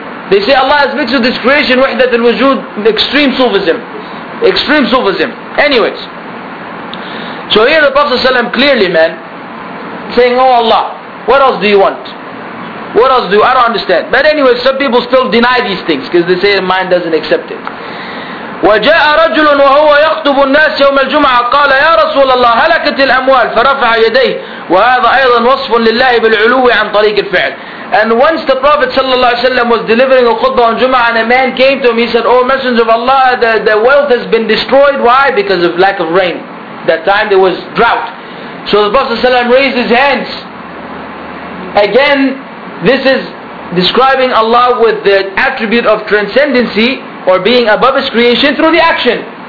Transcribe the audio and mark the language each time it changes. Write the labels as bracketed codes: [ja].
[en] They say Allah has mixed with his creation wahdat al-wujud, extreme Sufism. Extreme Sufism. Anyways, so here the Prophet ﷺ clearly, man, saying, Oh Allah, what else do you want? What else do you, I don't understand. But anyways, some people still deny these things because they say the mind doesn't accept it. [ar] وجاء رجل وهو يخطب الناس يوم الجمعة قال يا رسول الله هلكت الأموال فرفع يديه وهذا أيضا وصف لله بالعلو عن طريق الفعل. [en] And once the Prophet [ar] صلى الله عليه وسلم [en] was delivering a khutbah on Jum'ah and a man came to him, he said, Oh Messenger of Allah, the wealth has been destroyed. Why? Because of lack of rain. That time there was drought. So the Prophet [ar] صلى الله عليه وسلم [en] raised his hands. Again, this is describing Allah with the attribute of transcendency or being above his creation through the action.